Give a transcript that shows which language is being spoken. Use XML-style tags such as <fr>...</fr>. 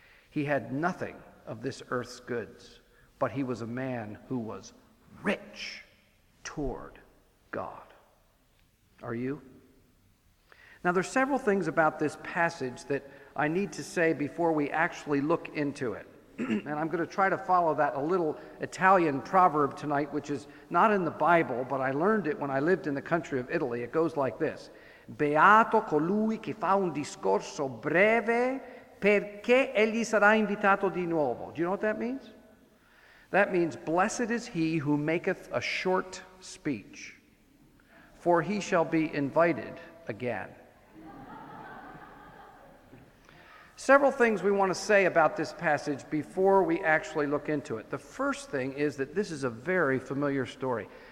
<en>He had nothing of this earth's goods, but he was a man who was rich toward God. Are you? Now, there's several things about this passage that I need to say before we actually look into it. And I'm going to try to follow that a little Italian proverb tonight, which is not in the Bible, but I learned it when I lived in the country of Italy.</en> <it>It goes like this: Beato colui che fa un discorso breve perché egli sarà invitato di nuovo.</it> <en>Do you know what that means? That means, blessed is he who maketh a short speech, for he shall be invited again. Several things we want to say about this passage before we actually look into it. The first thing is that this is a very familiar story.</en>